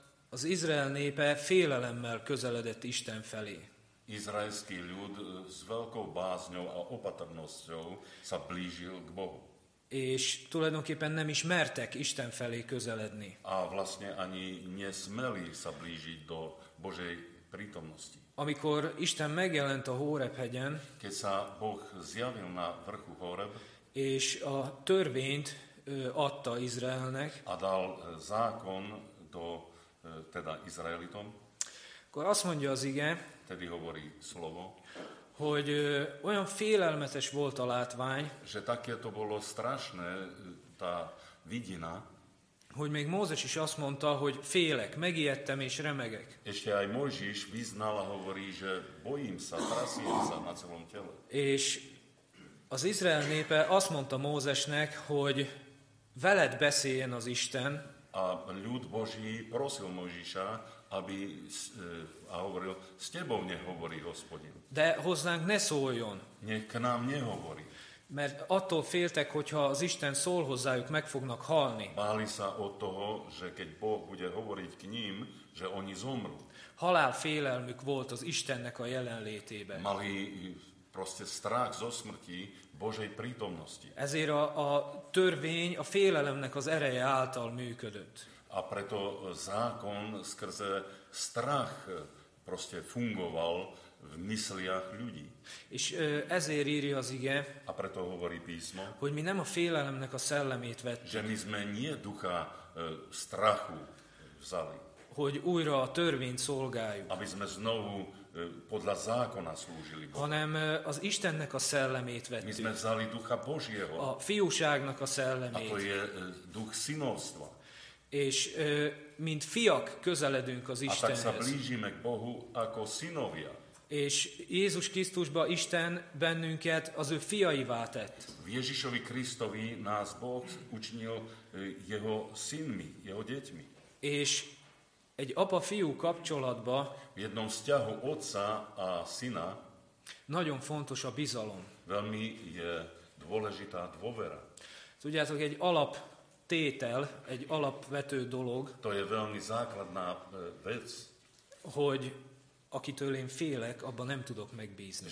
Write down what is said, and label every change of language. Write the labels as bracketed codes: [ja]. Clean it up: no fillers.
[hu] az Izrael népe félelemmel közeledett Isten felé. [sk] Izraelský ľud s veľkou bázňou a opatrnosťou sa blížil k Bohu. [hu] És tulajdonképpen nem is mertek Isten felé közeledni. [sk] A vlastne ani nesmeli sa blížiť do Božej prítomnosti. [hu] Amikor Isten megjelent a Hóreb hegyen, [sk] keď sa Boh zjavil na vrchu Hóreb, [hu] és a törvényt adta Izraelnek, [sk] a dal zákon do, teda Izraelitom, [hu] akkor azt mondja az ige, [sk] tedy hovorí slovo, [hu] hogy olyan félelmetes volt a látvány, [sk] že také to bolo strašné, tá vidina, [hu] hogy még Mózes is azt mondta, hogy félek, megijedtem és remegek. [sk] Ešte aj Mózes vyznal a hovorí, že bojím sa, trasím sa na celom tele. [hu] És az Izrael népe azt mondta Mózesnek, hogy veled beszéljen az Isten. [sk] A ľud Boží prosil Mózesa, aby a hovoril, s tebou nehovorí, Hospodin. [hu] De hozzánk ne szóljon. [sk] Nech k nám nehovorí. [hu] Mert attól féltek, hogyha az Isten szól hozzájuk, meg fognak halni. [sk] Báli sa od toho, že keď Boh bude hovoriť k ním, že oni zomrú. [hu] Halál félelmük volt az Istennek a jelenlétében. [sk] Mali proste strach zo smrti Božej prítomnosti. [hu] Ezért a törvény a félelemnek az ereje által működött. [sk] A preto zákon skrze strach proste fungoval v mysliach ľudí. [hu] És ezért írja az ige, [sk] a preto hovorí písmo, [hu] hogy mi nem a félelemnek a szellemét vettük, [sk] že my sme nie ducha strachu vzali, [hu] hogy újra a törvényt szolgáljuk, [sk] aby sme znovu podľa zákona slúžili Bohu, [hu] hanem az Istennek a szellemét vettük, [sk] my sme vzali ducha Božieho, [hu] a fiúságnak a szellemét, [sk] a to je duch synovstva. [hu] És mint fiak közeledünk az Istenhez. [sk] A tak sa blížime k Bohu ako synovia. [hu] És Jézus Krisztusba Isten bennünket az ő fiaivá tett. [sk] V Ježišovi Kristovi nás Boh učinil jeho synmi, jeho deťmi. [hu] És egy apa-fiú kapcsolatba [sk] v jednom vzťahu otca a syna [hu] nagyon fontos a bizalom. [sk] Veľmi je dôležitá dôvera. [hu] Tudjátok, egy alap tétel, egy alapvető dolog, [sk] to je veľmi základná vec, [hu] hogy akitől én félek, abban nem tudok megbízni.